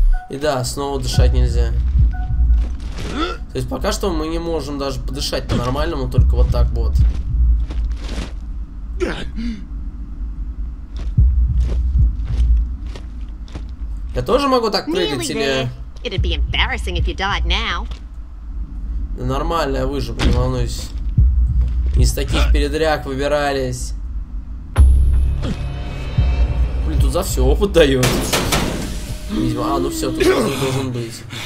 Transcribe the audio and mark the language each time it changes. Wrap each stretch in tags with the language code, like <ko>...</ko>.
<ru>И да, снова дышать нельзя. То есть пока что мы не можем даже подышать по-нормальному, только вот так вот. Я тоже могу так прыгать или...</ru> <en>It'd be embarrassing if you died now.</en> <ru>Да нормально, я выживу, не волнуюсь. Из таких передряг выбирались. Блин, тут за все опыт дает. Видимо, а, ну все, тут должен быть.</ru>